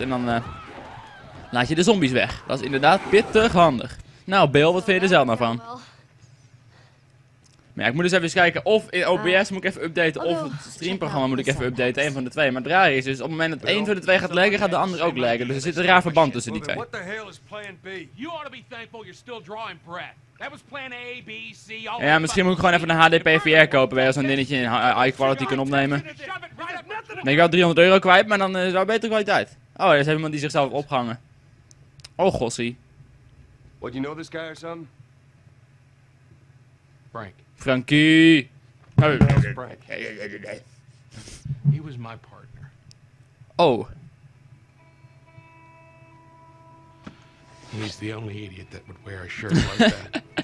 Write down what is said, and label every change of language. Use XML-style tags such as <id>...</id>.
<nl>En dan laat je de zombies weg. Dat is inderdaad pittig handig. Nou, Bill, wat vind je er zelf nou van? Maar ja, ik moet dus even kijken of in OBS moet ik even updaten of het streamprogramma moet ik even updaten, een van de twee. Maar het raar is dus, op het moment dat één van de twee gaat laggen, gaat de ander ook laggen. Dus er zit een raar verband tussen die twee.</nl> <en>What the hell is plan B? You ought to be thankful you're still drawing breath. That was plan A, B, C, all.</en> <nl>Ja, misschien moet ik gewoon even een HDPVR kopen, waar je zo'n dingetje in high quality kan opnemen. Ben ik wel €300 kwijt, maar dan is wel betere kwaliteit. Oh, er is iemand die zichzelf opgehangen. Oh, gossie.</nl> <en>What, you know this guy or something? Frank. Frankie. Hey. Frank. He was my partner. Oh. He's the only idiot that would wear a shirt like that.</en>